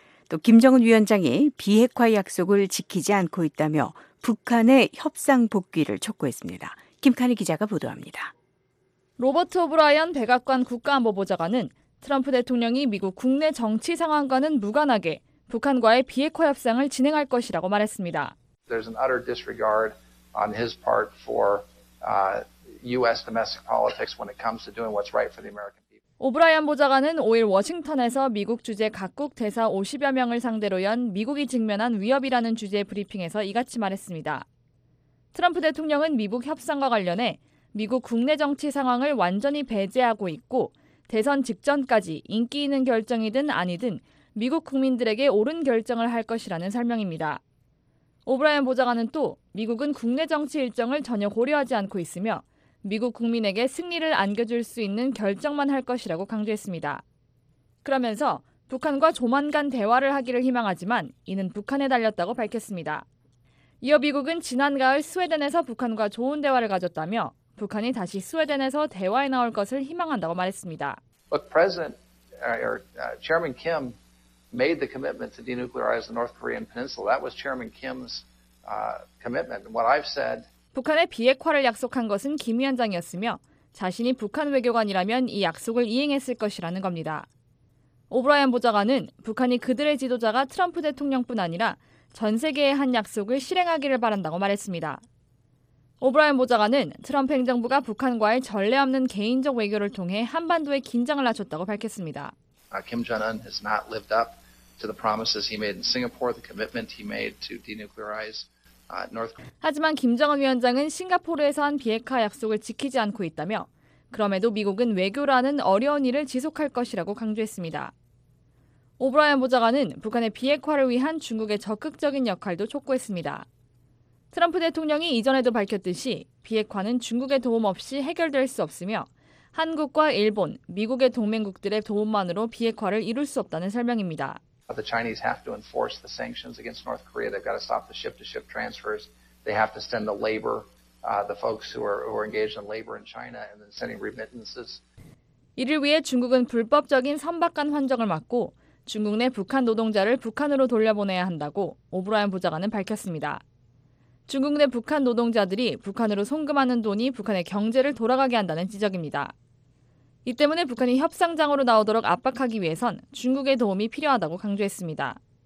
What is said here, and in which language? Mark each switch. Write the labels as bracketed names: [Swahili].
[Korean] 또 김정은 위원장이 비핵화 약속을 지키지 않고 있다며 북한의 협상 복귀를 촉구했습니다. 김카니 기자가 보도합니다. 로버트 오브라이언 백악관 국가안보 보좌관은 트럼프 대통령이 미국 국내 정치 상황과는 무관하게 북한과의 비핵화 협상을 진행할 것이라고 말했습니다. [English] There's an utter disregard on his part for U.S. domestic politics when it comes to doing what's right for the American people. [Korean] 오브라이언 보좌관은 5일 워싱턴에서 미국 주재 각국 대사 50여 명을 상대로 연 미국이 직면한 위협이라는 주제의 브리핑에서 이같이 말했습니다. 트럼프 대통령은 미국 협상과 관련해 미국 국내 정치 상황을 완전히 배제하고 있고 대선 직전까지 인기 있는 결정이든 아니든 미국 국민들에게 옳은 결정을 할 것이라는 설명입니다. 오브라이언 보좌관은 또 미국은 국내 정치 일정을 전혀 고려하지 않고 있으며 미국 국민에게 승리를 안겨줄 수 있는 결정만 할 것이라고 강조했습니다. 그러면서 북한과 조만간 대화를 하기를 희망하지만 이는 북한에 달렸다고 밝혔습니다. 이어 미국은 지난 가을 스웨덴에서 북한과 좋은 대화를 가졌다며 북한이 다시 스웨덴에서 대화에 나올 것을 희망한다고 말했습니다. [English] But President or Chairman Kim made the commitment to denuclearize the North Korean peninsula. That was Chairman Kim's commitment. What I've said [Korean] 북한의 비핵화를 약속한 것은 김 위원장이었으며 자신이 북한 외교관이라면 이 약속을 이행했을 것이라는 겁니다. 오브라이언 보좌관은 북한이 그들의 지도자가 트럼프 대통령뿐 아니라 전 세계에 한 약속을 실행하기를 바란다고 말했습니다. 오브라이언 보좌관은 트럼프 행정부가 북한과의 전례 없는 개인적 외교를 통해 한반도에 긴장을 낮췄다고 밝혔습니다. [English] Kim Jong-un has not lived up to the promises he made in Singapore, the commitment he made to denuclearize North Korea. [Korean] 하지만 김정은 위원장은 싱가포르에서 한 비핵화 약속을 지키지 않고 있다며 그럼에도 미국은 외교라는 어려운 일을 지속할 것이라고 강조했습니다. 오브라이언 보좌관은 북한의 비핵화를 위한 중국의 적극적인 역할도 촉구했습니다. 트럼프 대통령이 이전에도 밝혔듯이 비핵화는 중국의 도움 없이 해결될 수 없으며 한국과 일본, 미국의 동맹국들의 도움만으로 비핵화를 이룰 수 없다는 설명입니다. [English] The Chinese have to enforce the sanctions against North Korea. They've got to stop the ship-to-ship transfers. They have to send the labor, the folks who are engaged in labor in China, and then sending remittances. [Korean] 이를 위해 중국은 불법적인 선박간 환적을 막고 중국 내 북한 노동자를 북한으로 돌려보내야 한다고 오브라이언 보좌관은 밝혔습니다. 중국 내 북한 노동자들이 북한으로 송금하는 돈이 북한의 경제를 돌아가게 한다는 지적입니다. 이 때문에 북한이 협상장으로 나오도록 압박하기 위해선 중국의 도움이 필요하다고 강조했습니다.